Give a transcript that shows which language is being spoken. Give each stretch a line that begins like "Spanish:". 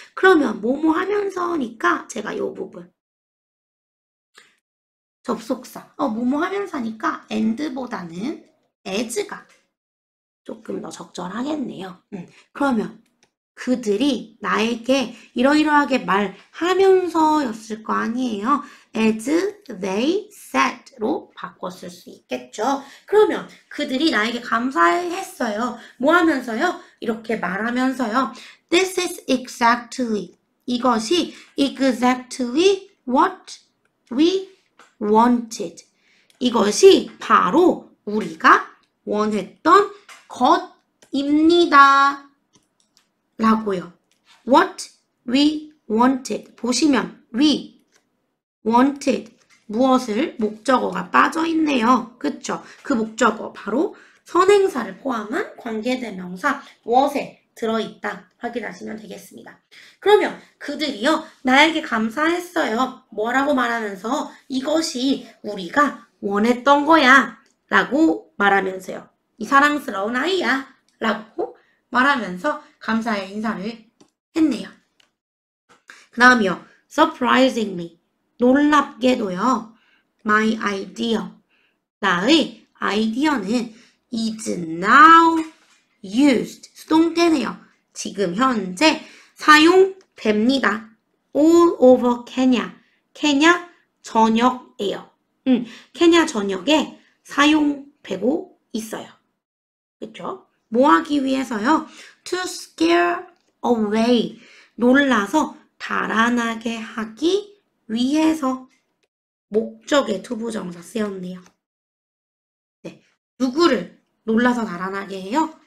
Korean: 그러면 뭐뭐 하면서니까 제가 요 부분 접속사, 뭐뭐 하면서니까 and보다는 as가 조금 더 적절하겠네요. 그러면 그들이 나에게 이러이러하게 말하면서였을 거 아니에요.
English: As they said
Korean: 로 바꿨을 수 있겠죠. 그러면 그들이 나에게 감사했어요. 뭐 하면서요? 이렇게 말하면서요.
English: This is exactly
Korean: 이것이
English: exactly what we wanted.
Korean: 이것이 바로 우리가 원했던 것 입니다 라고요.
English: What we wanted.
Korean: 보시면 we wanted 무엇을 목적어가 빠져 있네요. 그쵸? 그 목적어 바로 선행사를 포함한 관계대명사 what에 들어 있다 확인하시면 되겠습니다. 그러면 그들이요 나에게 감사했어요. 뭐라고 말하면서 이것이 우리가 원했던 거야라고 말하면서요. 이 사랑스러운 아이야. 라고 말하면서 감사의 인사를 했네요. 그 다음이요. Surprisingly, 놀랍게도요.
English: My idea,
Korean: 나의 아이디어는
English: is now used,
Korean: 수동태네요. 지금 현재 사용됩니다.
English: All over Kenya,
Korean: 케냐 전역에요. 케냐 전역에 사용되고 있어요. 그쵸? 뭐 하기 위해서요?
English: To scare away.
Korean: 놀라서 달아나게 하기 위해서. 목적의 to부 정사 쓰였네요. 누구를 놀라서 달아나게 해요?